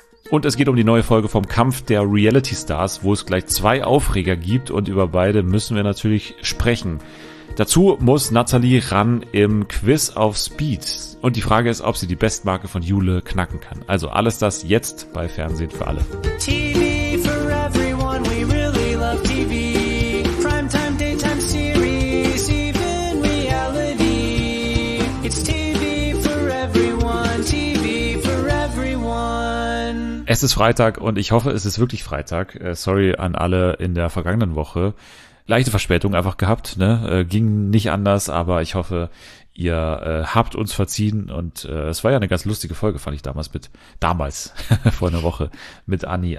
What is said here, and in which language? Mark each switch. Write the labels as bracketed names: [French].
[German] Und es geht um die neue Folge vom Kampf der Reality Stars, wo es gleich zwei Aufreger gibt und über beide müssen wir natürlich sprechen. Dazu muss Nathalie ran im Quiz auf Speed und die Frage ist, ob sie die Bestmarke von Jule knacken kann. Also alles das jetzt bei Fernsehen für alle. [English] TV for everyone, we really love TV. Primetime, daytime series, even reality. It's TV for everyone, TV for everyone. [German] Es ist Freitag und ich hoffe, es ist wirklich Freitag. Sorry an alle in der vergangenen Woche. Leichte Verspätung einfach gehabt, ne? Ging nicht anders, aber ich hoffe, ihr habt uns verziehen und es war ja eine ganz lustige Folge, fand ich damals, vor einer Woche mit Anni.